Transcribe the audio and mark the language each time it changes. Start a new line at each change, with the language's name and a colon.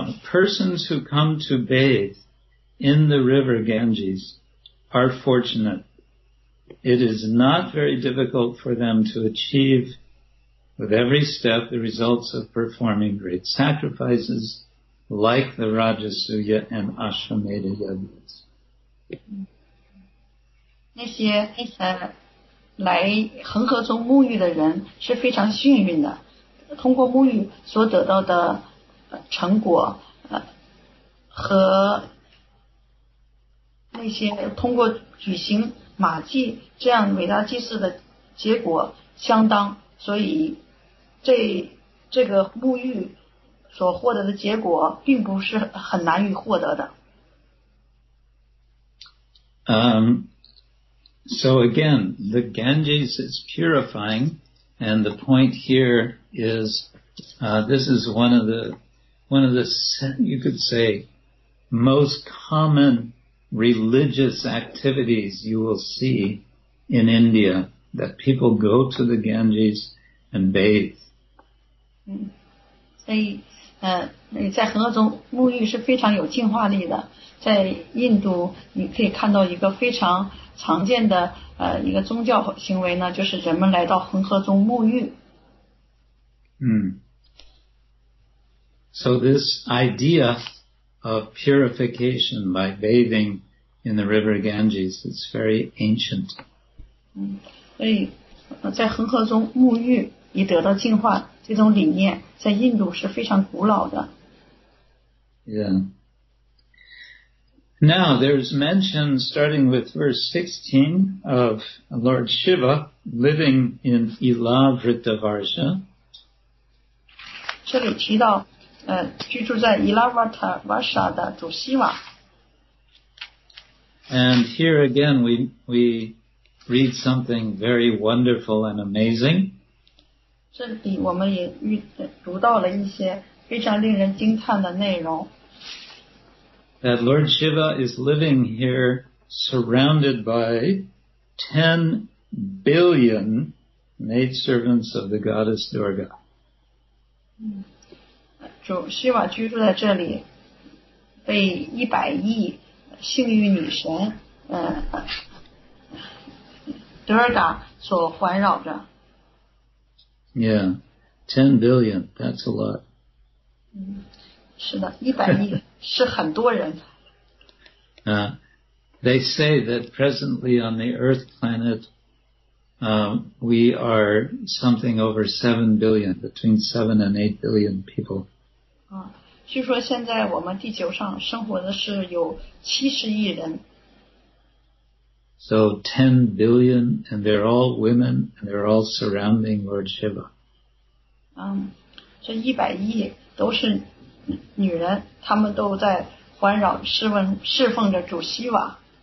English: Persons who come to bathe in the river Ganges are fortunate. It is not very difficult for them to achieve with every step the results of performing great sacrifices like the Rajasuya and Ashwamedha yajnas.
Chinese: 那些来恒河中沐浴的人是非常幸运的，通过沐浴所得到的成果和那些通过举行马祭这样伟大祭祀的结果相当，所以这个沐浴所获得的结果并不是很难以获得的。
English: So again, the Ganges is purifying, and the point here is, this is one of the, you could say, most common religious activities you will see in India, that people go to the Ganges and bathe.
Chinese: 在恒河中沐浴是非常有净化力的，在印度你可以看到一个非常常见的一个宗教行为呢，就是人们来到恒河中沐浴。
English: So this idea of purification by bathing in the river Ganges is very ancient.
Chinese: 所以在恒河中沐浴以得到净化这种理念在印度是非常古老的。
English: Yeah. Now there's mention starting with verse 16 of Lord Shiva living in Ilavritavarsha.
Chinese: 这里提到居住在 Ilavritavarsha 的主希瓦。
English: And here again we read something very wonderful and amazing.
Chinese: 这里我们也读到了一些非常令人惊叹的内容。
English: That Lord Shiva is living here surrounded by 10 billion maidservants of the goddess Durga.
Chinese: 主希瓦居住在这里，被100亿幸运女神Durga 所环绕着。
English: Yeah, 10 billion, that's a lot.
Chinese: 是的，100亿是很多人。
English: They say that presently on the Earth planet, we are something over 7 billion, between 7 and 8 billion people.
Chinese: 据说现在我们地球上生活的是有70亿人。
English: So 10 billion, and they're all women, and they're all surrounding Lord Shiva.
Chinese: 这一百亿都是女人，她们都在环绕侍奉着主希瓦。